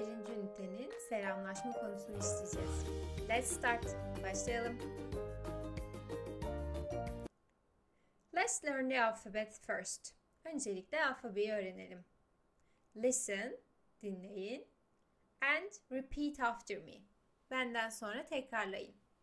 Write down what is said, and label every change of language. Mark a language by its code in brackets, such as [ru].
[tr] ünitenin selamlaşma konusunu işleyeceğiz. [en] Let's start. [tr] Başlayalım. [en] Let's learn the alphabet first. [tr] Öncelikle alfabeyi öğrenelim. [en] Listen, [tr] dinleyin. [en] And repeat after me. [tr] Benden sonra tekrarlayın.